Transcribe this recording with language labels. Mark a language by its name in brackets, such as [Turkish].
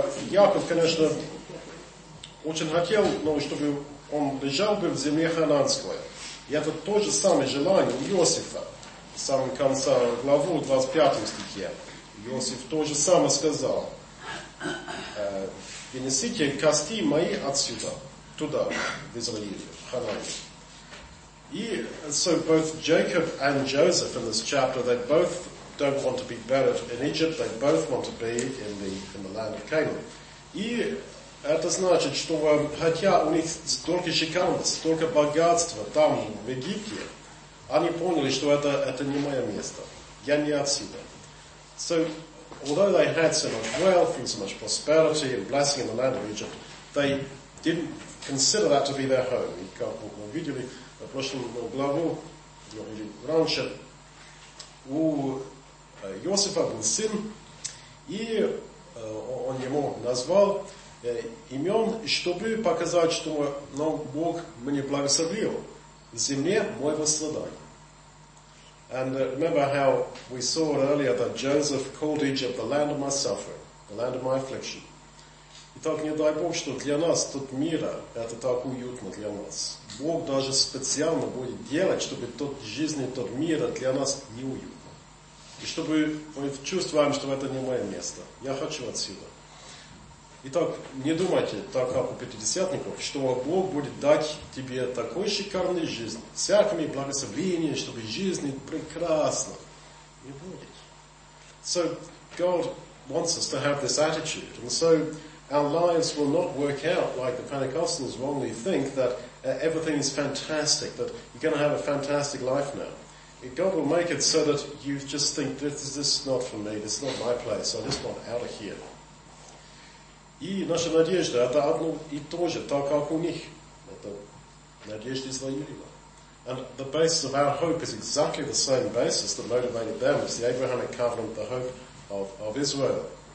[Russian] Яков, конечно, очень хотел, но чтобы он лежал бы в земле Хананской. И это то же самое желание у Иосифа, в самом конце главы, 25 стихе. Иосиф то же самое сказал. Принесите кости мои отсюда, туда, в Израиль, в Ханаан. [English] И so both Jacob and Joseph in this chapter, they both don't want to be buried in Egypt, they both want to be in the land of Canaan. [Russian] И это значит, что хотя у них столько шикарности, столько богатства там, в Египте, они поняли, что это не мое место. Я не отсюда. [English] So, although they had so much wealth and so much prosperity and blessing in the land of Egypt, they didn't consider that to be their home. [Russian] И как мы видели в прошлом главу, или раньше, у Иосифа был сын, и он ему назвал имен, чтобы показать, что Бог мне благословил в земле моего страдания. [English] And remember how we saw earlier that Joseph called Egypt the land of my suffering, the land of my affliction. [Russian] Итак, не дай Бог, что для нас тот мир, это так уютно для нас. Бог даже специально будет делать, чтобы тот жизнь, тот мир для нас не уютно. И чтобы мы чувствовали, что это не мое место. Я хочу отсюда. Итак, не думайте, так как у пятидесятников, что Бог будет дать тебе такой шикарной жизни, всякими благословениями, чтобы жизнь прекрасна. Не будет. [English] So, God wants us to have this attitude. And so, our lives will not work out like the Pentecostals wrongly think that everything is fantastic, that you're going to have a fantastic life now. God will make it so that you just think, this is not for me, this is not my place, I just want out of here. [Russian] И наша надежда – это одно и то же, так как у них. Это надежда Израилева. [English] And the basis of our hope is exactly the same basis that motivated them as the Abrahamic covenant, the hope of Israel.